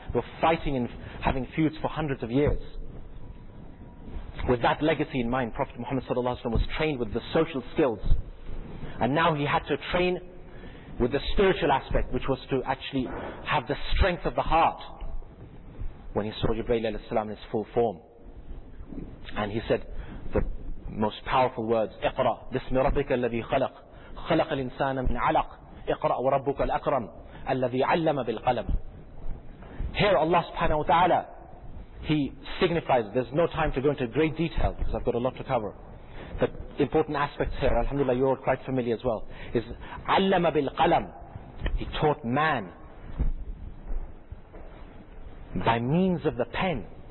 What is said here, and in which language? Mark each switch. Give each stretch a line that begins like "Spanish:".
English: They were fighting and having feuds for hundreds of years. With that legacy in mind, Prophet Muhammad sallallahu alaihi wasallam was trained with the social skills. And now he had to train with the spiritual aspect, which was to actually have the strength of the heart when he saw Jibreel alayhi salam in his full form. And he said the most powerful words,
Arabic: اقرأ بسم ربك الذي خلق خلق الإنسان من علق اقرأ وربك الأكرم الذي علم بالقلم.
English: Here Allah subhanahu wa ta'ala, he signifies, there's no time to go into great detail because I've got a lot to cover. The important aspects here, alhamdulillah, you're quite familiar as well, is
Arabic: عَلَّمَ بِالْقَلَمِ.
English: He taught man by means of the pen.